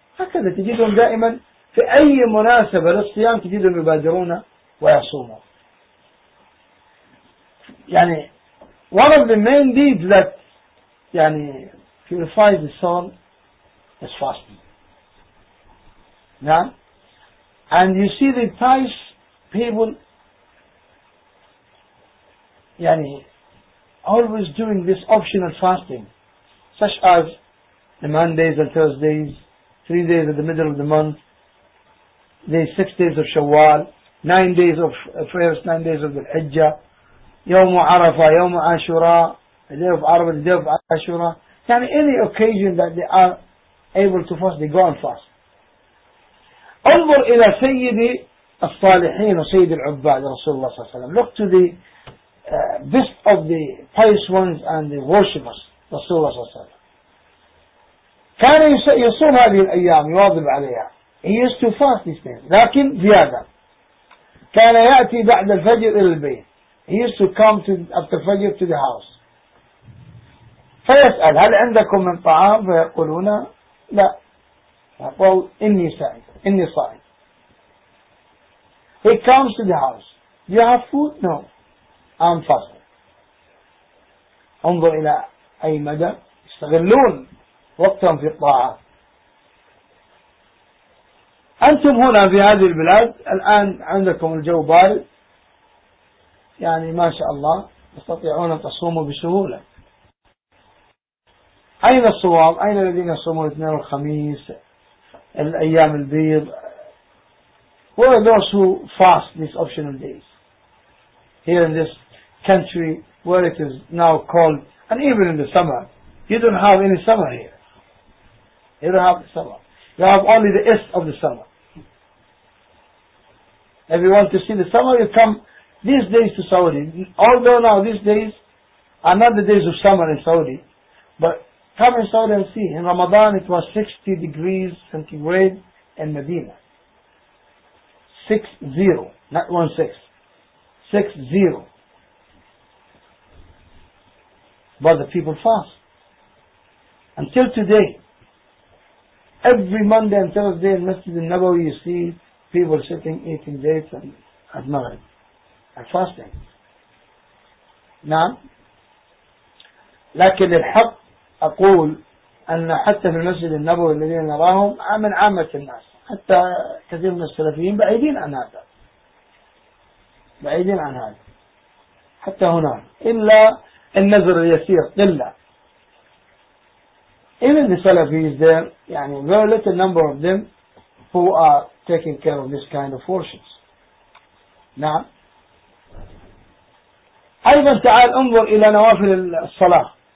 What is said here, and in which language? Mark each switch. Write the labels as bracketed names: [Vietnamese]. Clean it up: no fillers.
[Arabic] هكذا تجدهم دائما في أي مناسبة للصيام تجدهم يبادرون ويصومون. [English] يعني one of the main deeds that يعني purifies the soul is fasting. [Arabic] نعم. [English] And you see the pious people يعني always doing this optional fasting, such as the Mondays and Thursdays, 3 days of the middle of the month, the 6 days of Shawwal, 9 days of first, 9 days of the Hijjah, [Arabic] يوم عرفة يوم عاشوراء [English] day of عرفة day of عاشوراء يعني any occasion that they are able to fast they go and fast. [Arabic] انظر إلى سيد الصالحين وسيد العباد رسول الله صلى الله عليه وسلم. [English] Look to the best of the pious ones and the worshippers [Arabic] رسول الله صلى الله عليه وسلم. كان يصوم هذه الأيام يواظب عليها. [English] He used to fast these days. [Arabic] لكن زيادة. كان يأتي بعد الفجر إلى البيت. [English] He used to come to after fajr to the house. [Arabic] فيسأل هل عندكم من طعام؟ فيقولون لا. يقول إني سعيد. إني صائم. [English] He comes to the house. Do you have food? No. I'm fasting. [Arabic] انظر إلى أي مدى يستغلون وقتهم في الطاعة. أنتم هنا في هذه البلاد الآن عندكم الجو بارد يعني ما شاء الله تستطيعون أن تصوموا بسهولة. أين الصوام؟ أين الذين يصوموا الاثنين والخميس الأيام البيض؟ [English] What are those who fast these optional days here in this country where it is now cold and even in the summer? You don't have any summer here. You don't have the summer. You have only the east of the summer. If you want to see the summer, you come these days to Saudi. Although now these days are not the days of summer in Saudi, but come in Saudi and see. In Ramadan it was 60 degrees centigrade in Medina. 60, not 16. 60. But the people fast. Until today, every Monday and Thursday in Masjid al-Nabawi you see people sitting, eating dates and at Maghrib, and fasting. [Arabic] نعم. لكن الحق أقول أن حتى في المسجد النبوي الذين نراهم من عامة الناس حتى كثير من السلفيين بعيدين عن هذا بعيدين عن هذا حتى هنا إلا النذر اليسير قلة. [English] Even the Salafis there, يعني very little number of them who are taking care of this kind of worships. [Arabic] نعم. أيضا تعال انظر إلى نوافل الصلاة.